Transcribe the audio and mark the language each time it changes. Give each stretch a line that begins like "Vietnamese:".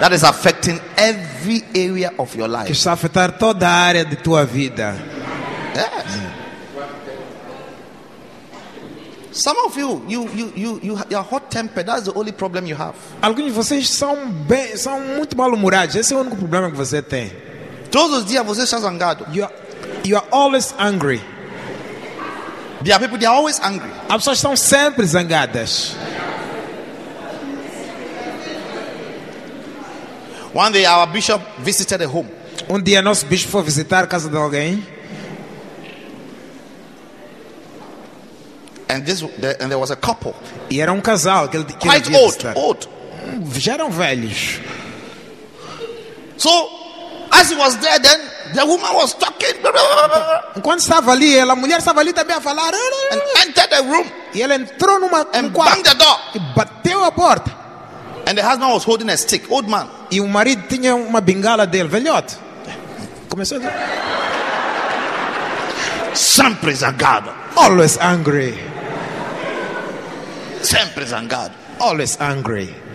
English: That is affecting every area of your life.
Portuguese: Que está a afetar toda a área de tua vida.
English: Yes. Some of you you are hot tempered. That's the only problem you have.
Portuguese: Alguns de vocês são muito mal humorados. Esse é o único problema que você tem. Todos os dias você está zangado.
English: You are always angry. There are people, they are always angry.
Portuguese: As pessoas estão sempre zangadas.
English: One day our bishop visited a home.
Portuguese: Dia nosso bispo foi visitar a casa de alguém.
English: And there was a couple.
Portuguese: E era casal que
English: quite old,
Portuguese: visto.
English: Old.
Portuguese: Já eram velhos.
English: So, as he was there, then the woman was talking.
Portuguese: Enquanto estava ali, ela, a mulher estava ali também a falar.
English: And entered the room.
Portuguese: E ela entrou numa
English: and
Portuguese: quarto.
English: Banged the door.
Portuguese: E bateu a porta.
English: And the husband was holding a stick, old man.
Portuguese: E o marido tinha uma bengala dele, velhote. Começou. Sempre zangado.
English: Always angry.
Portuguese: Sempre zangado.
English: Always angry.